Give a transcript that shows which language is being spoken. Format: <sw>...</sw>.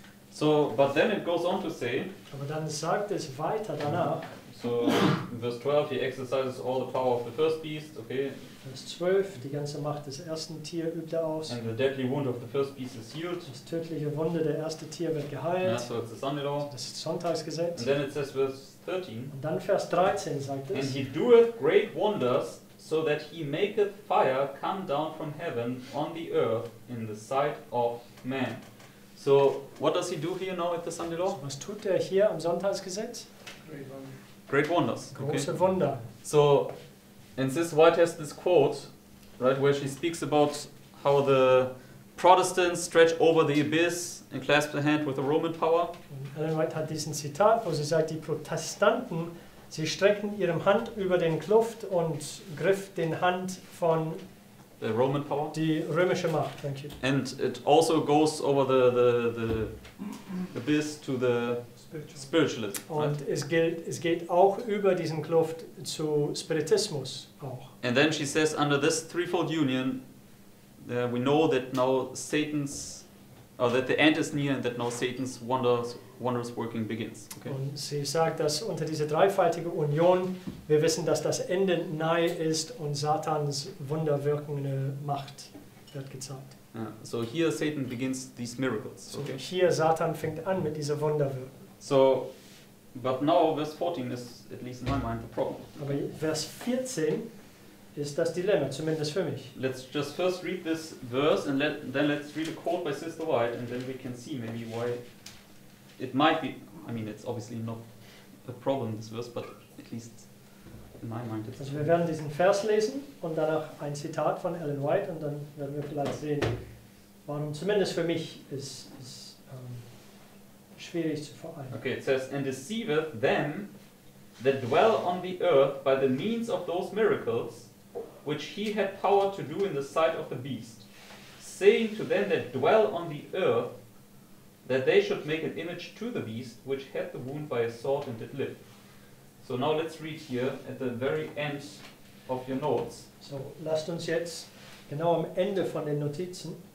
<en>So, but then it goes on to say.</en> <de>Aber dann sagt es weiter danach.</de> <en>So, in verse 12, he exercises all the power of the first beast. Okay.</en> <de>Vers 12, die ganze Macht des ersten Tier übt er aus.</de> <en>And the deadly wound of the first beast is healed.</en> <de>Das tödliche Wunde der erste Tier wird geheilt.</de> <en>Yeah, so it's the Sunday law.</en> <de>Das ist Sonntagsgesetz.</de> <en>And then it says verse 13.</en> <de>Und dann Vers 13 sagt es.</de> <en>And he doeth great wonders, so that he maketh fire come down from heaven on the earth in the sight of man. So, what does he do here now at the Sunday law?</en> <de>Was tut er hier am Sonntagsgesetz?</de> <en>Great wonders. Okay.</en> <de>Große Wunder.</de> <en>So, and this White has this quote, right, where she speaks about how the Protestants stretch over the abyss and clasp their hand with the Roman power.</en> <de>Und Ellen White hat diesen Zitat, wo sie sagt, die Protestanten, sie strecken ihre Hand über den Kluft und griff den Hand von</de> <en>the Roman power.</en> <de>Die römische Macht,</de> <en>thank you. And it also goes over the abyss to the spiritualist.</en> <de>Und</de> <en>right?</en> <de>es geht auch über diesen Kluft zu Spiritismus auch.</de> <en>And then she says, under this threefold union, we know that now Satan's, or that the end is near, and that now Satan's wondrous working begins. Okay.</en> <de>Und sie sagt, dass unter dieser dreifaltigen Union wir wissen, dass das Ende nahe ist und Satans wunderwirkende Macht wird gezeigt.</de> <en>Yeah. So here Satan begins these miracles. So okay.</en> <de>Hier Satan fängt an mit dieser Wunderwirkung.</de> <en>So, but now verse 14 is at least in my mind the problem.</en> <de>Aber Vers 14 ist das Dilemma, zumindest für mich.</de> <en>Let's just first read this verse and then let's read a quote by Sister White and then we can see maybe why. It might be, I mean, it's obviously not a problem, this verse, but at least in my mind it's...</en> <de>Also wir werden diesen Vers lesen und danach ein Zitat von Ellen White und dann werden wir vielleicht sehen, warum zumindest für mich ist schwierig zu vereinen.</de> <en>Okay, it says, and deceiveth them that dwell on the earth by the means of those miracles which he had power to do in the sight of the beast, saying to them that dwell on the earth that they should make an image to the beast which had the wound by a sword and did live. So now let's read here at the very end of your notes.</en> <de>So lasst uns jetzt genau am Ende von den Notizen.</de>